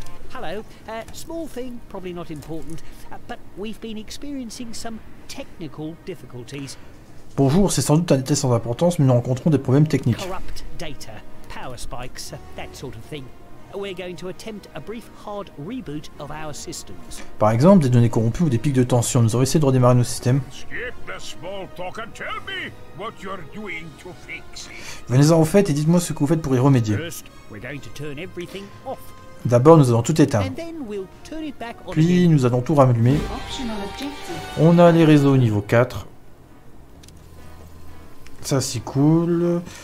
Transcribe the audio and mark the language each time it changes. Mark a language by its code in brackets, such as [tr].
[en] Hello, small thing, probably not important, but we've been experiencing some technical difficulties. [fr] Bonjour, c'est sans doute un test sans importance, mais nous rencontrons des problèmes techniques. [en] Corrupt data, power spikes, that sort of thing. We're going to attempt a brief hard reboot of our systems. [fr] Par exemple, des données corrompues ou des pics de tension. Nous aurions essayé de redémarrer nos systèmes. [en] Skip the small talk and tell me what you're doing to fix. [fr] Venez-en au fait et dites-moi ce que vous faites pour y remédier. [en] First, we're going to turn everything off. [fr] D'abord, nous allons tout éteindre. [en] And then we'll turn it back on. [fr] Puis, nous allons tout rallumer. On a les réseaux au niveau 4. Ça, c'est cool.